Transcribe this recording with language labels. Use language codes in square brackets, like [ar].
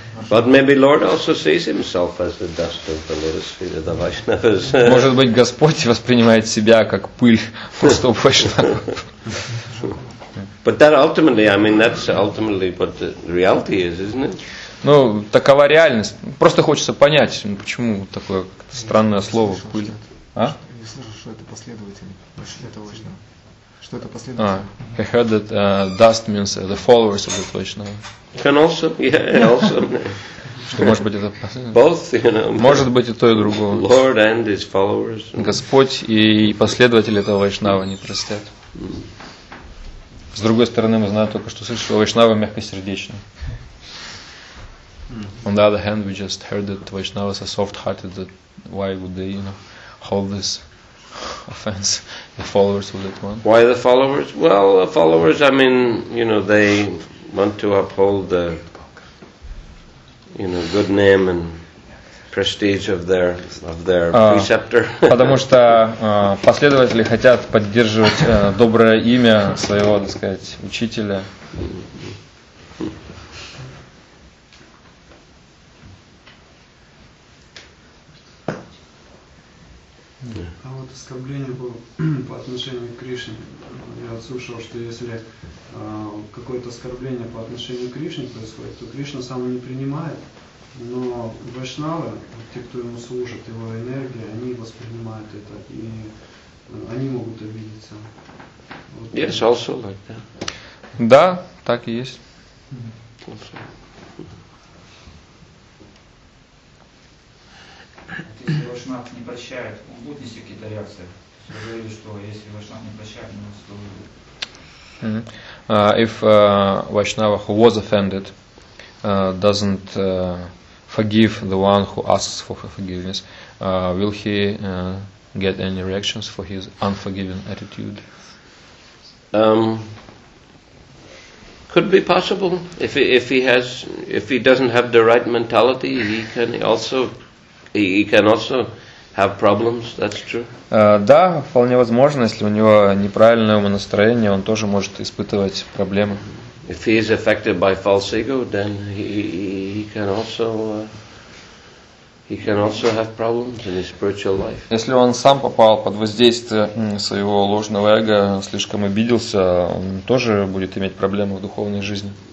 [en] But maybe Lord also sees himself as the dust of the lotus feet of the Vaishnavas. [ru] Может быть, Господь воспринимает себя как пыль пустого вайшнава. [en] But that ultimately, I mean, that's ultimately what the reality is, isn't it? [ru] Ну, такова реальность. Просто хочется понять, почему такое странное слово пыль. А? Не слышу, что это последовательно. Это вайшнава. Что это последовательно? [en] I heard that dust means the followers of the Vaishnava. Can also, yeah, also. [ru] Что может быть это последовательно? [en] Both, you know. [ru] Может быть и то, и другое. [en] Lord and his followers. [ru] Господь и последователи этого вайшнава не простят. С другой стороны, мы знаем только, что слышим, что вайшнавы мягкосердечны. Mm-hmm. [en] On the other hand, we just heard that Vaishnavas are soft-hearted, that why would they, you know, hold this offense, the followers of that one? Why the followers? Well, the followers, I mean, you know, they want to uphold the, you know, good name and prestige of their preceptor. [ru] Потому что последователи хотят поддерживать доброе имя своего, так сказать, учителя. А вот оскорбление по отношению к Кришне. Я слышал, что если какое-то оскорбление по отношению к Кришне происходит, то Кришна сам не принимает. Но вайшнавы, те, кто ему служат, его энергия, они воспринимают это, и они могут обидеться. Вот. [en] Yes, also like that. [ru] Да, так и есть. Mm-hmm. Если вайшнав не прощает, он будет нести какие-то реакции? Вы говорили, что если вайшнав не прощает, он будет. [en] If Vaishnava who was offended doesn't forgive the one who asks for forgiveness, will he get any reactions for his unforgiving attitude? Could be possible. If he doesn't have the right mentality, he can also have problems, that's true. [ru] Да, вполне возможно, если у него неправильное умонастроение, он тоже может испытывать проблемы. [en] If he is affected by false ego, then he can also have problems in his spiritual life. [ru] Если он сам попал под воздействие своего ложного эго, слишком обиделся, он тоже будет иметь проблемы в духовной жизни.